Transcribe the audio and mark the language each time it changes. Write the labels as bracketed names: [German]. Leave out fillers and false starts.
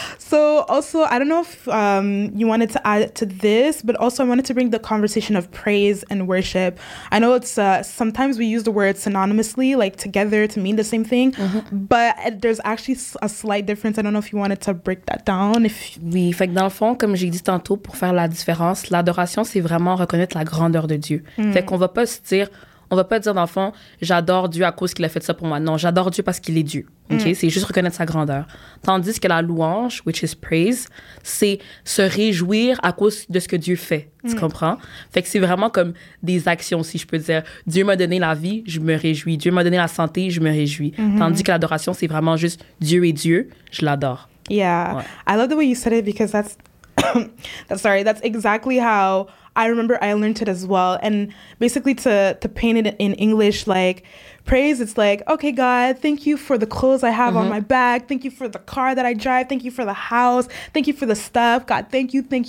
[English] So also, I don't know if you wanted to add to this, but also I wanted to bring the conversation of praise and worship. I know it's sometimes we use the word synonymously, like together, to mean the same thing, but there's actually a slight difference. I don't know if you wanted to break that down. [French] Oui, fait que dans le fond, comme j'ai dit tantôt, pour faire la différence, l'adoration, c'est vraiment reconnaître la grandeur de Dieu. Fait qu'on va pas se dire... On va pas dire, dans le fond, j'adore Dieu à cause qu'il a fait ça pour moi. Non, j'adore Dieu parce qu'il est Dieu. Okay? C'est juste reconnaître sa grandeur. Tandis que la louange, [English] which is praise, [French] c'est se réjouir à cause de ce que Dieu fait. Tu comprends? Fait que c'est vraiment comme des actions, si je peux dire. Dieu m'a donné la vie, je me réjouis. Dieu m'a donné la santé, je me réjouis. Tandis que l'adoration, c'est vraiment juste Dieu est Dieu, je l'adore. [English] Yeah. Ouais. I love the way you said it, because that's exactly how I remember I learned it as well. And basically to paint it in English, like praise, it's like, okay, God, thank you for the clothes I have on my back. Thank you for the car that I drive. Thank you for the house. Thank you for the stuff. God, thank you.